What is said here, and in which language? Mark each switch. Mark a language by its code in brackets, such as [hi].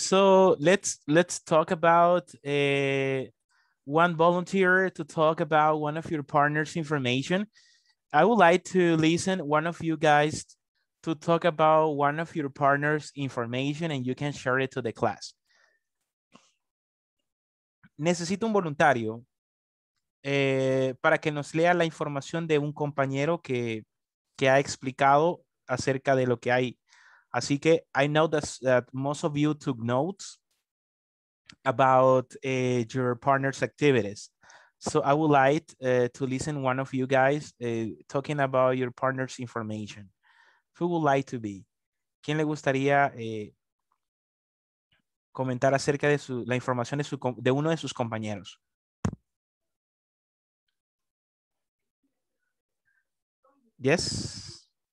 [en] So let's talk about one volunteer to talk about one of your partner's information. I would like to listen one of you guys to talk about one of your partner's information and you can share it to the class. [es] Necesito un voluntario para que nos lea la información de un compañero que ha explicado acerca de lo que hay. Así que [en] I know that most of you took notes about your partner's activities. So I would like to listen one of you guys talking about your partner's information. Who would like to be? [es] ¿Quién le gustaría comentar acerca de su, la información de, su, de uno de sus compañeros? [en] Yes.